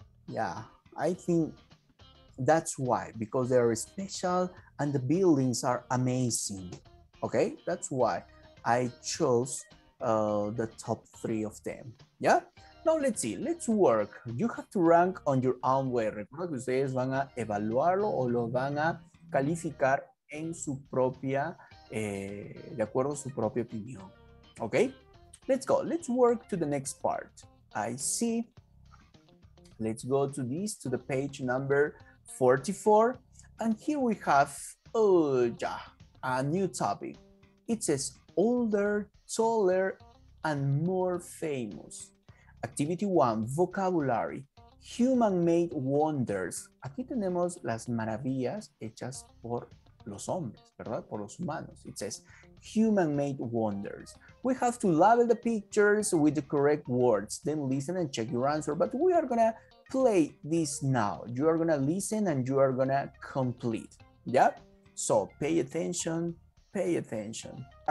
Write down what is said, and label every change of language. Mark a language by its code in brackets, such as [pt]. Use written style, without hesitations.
[en] Yeah, I think that's why, because they are special and the buildings are amazing. Okay, that's why I chose the top three of them. Yeah, now let's see, let's work. You have to rank on your own way. [es] Recuerda que ustedes van a evaluarlo o lo van a calificar en su propia, de acuerdo a su propia opinión. [en] Okay, let's go. Let's work to the next part. I see. Let's go to this, to the page number 44. And here we have, a new topic. It says older, taller, and more famous. Activity one, vocabulary. Human-made wonders. [es] Aquí tenemos las maravillas hechas por los hombres, ¿verdad? Por los humanos. [en] It says human-made wonders. We have to label the pictures with the correct words. Then listen and check your answer. But we are going to play this now. You are going to listen and you are going to complete. Yeah? So pay attention. Pay attention.